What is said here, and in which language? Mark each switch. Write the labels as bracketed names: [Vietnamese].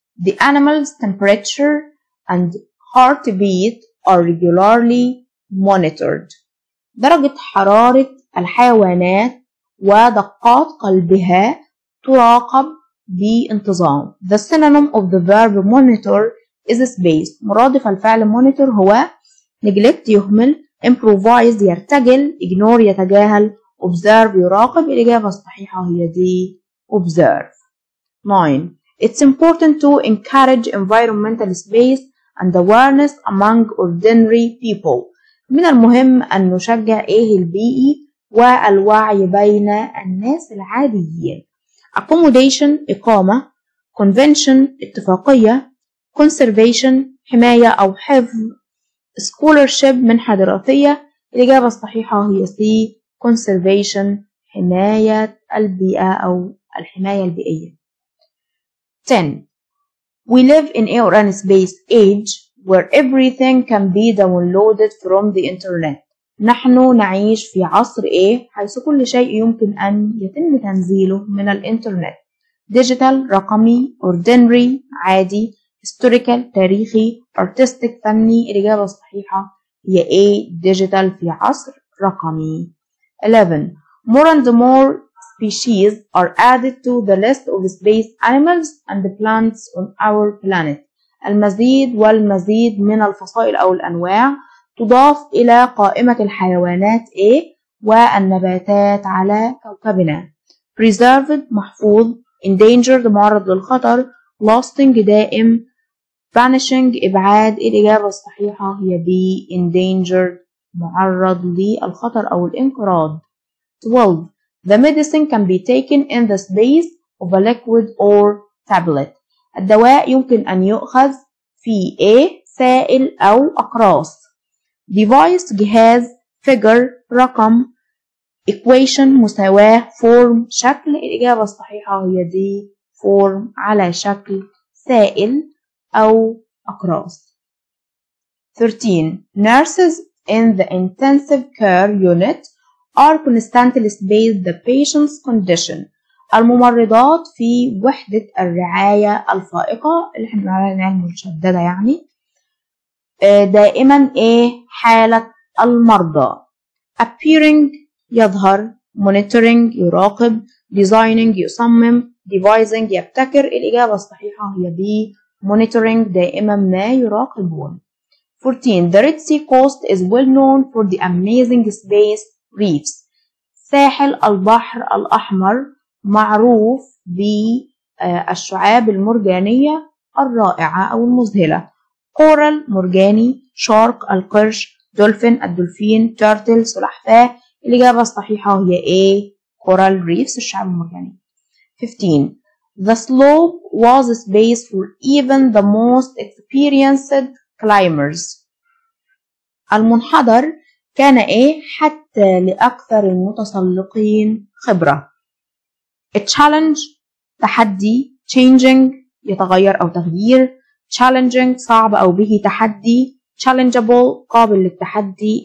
[English] The animal's temperature and heartbeat are regularly monitored. [Arabic] درجة حرارة الحيوانات ودقات قلبها تراقب بانتظام. [English] The synonym of the verb monitor is space. [Arabic] مرادف الفعل monitor هو neglect يهمل، improvise يرتجل، ignore يتجاهل، observe يراقب. الإجابة الصحيحة هي D، observe. [English] 9. It's important to encourage environmental space and awareness among ordinary people. [Arabic] من المهم أن نشجع إيه؟ البيئي والوعي بين الناس العاديين. accommodation إقامة، convention اتفاقية، conservation حماية أو حفظ، scholarship منحة دراسية. الإجابة الصحيحة هي C، conservation حماية البيئة أو الحماية البيئية. [English] 10. We live in a space age where everything can be downloaded from the internet. [Arabic] نحن نعيش في عصر إيه؟ حيث كل شيء يمكن أن يتم تنزيله من الإنترنت. digital رقمي، ordinary عادي، historical تاريخي، artistic فني. الإجابة الصحيحة هي A، digital في عصر رقمي. [English] 11. More and more species are added to the list of space animals and plants on our planet. [Arabic] المزيد والمزيد من الفصائل أو الأنواع تضاف إلى قائمة الحيوانات A والنباتات على كوكبنا. Preserved محفوظ، Endangered معرض للخطر، Lasting دائم، Vanishing إبعاد. الإجابة الصحيحة هي B، Endangered معرض للخطر أو الإنقراض. [English] 12. The medicine can be taken in the space of a liquid or tablet. [Arabic] الدواء يمكن أن يؤخذ في A سائل أو أقراص. Device جهاز، figure رقم، equation مساواة، form شكل. الإجابة الصحيحة هي D، form على شكل سائل أو أقراص. [English] 13. Nurses in the intensive care unit are constantly surveying the patient's condition. [Arabic] الممرضات في وحدة الرعاية الفائقة اللي احنا بنعملها المشددة يعني دائما ايه حالة المرضى. Appearing يظهر، monitoring يراقب، designing يصمم، devising يبتكر. الإجابة الصحيحة هي B، monitoring دائما ما يراقبون. [English] 14. The Red Sea coast is well known for the amazing space reefs. [Arabic] ساحل البحر الأحمر معروف بالشعاب المرجانية الرائعة أو المذهلة. كورال مرجاني، شارك القرش، دولفين الدولفين، تورتل سلحفاة. الإجابة الصحيحة هي A، [English] coral reefs [Arabic] الشعاب المرجانية. [English] 15. The slope was a space for even the most experienced climbers. [Arabic] المنحدر كان A حتى لأكثر المتسلقين خبرة. [English] A challenge [Arabic] تحدي، changing يتغير أو تغيير، challenging صعب أو به تحدي، challengeable قابل للتحدي.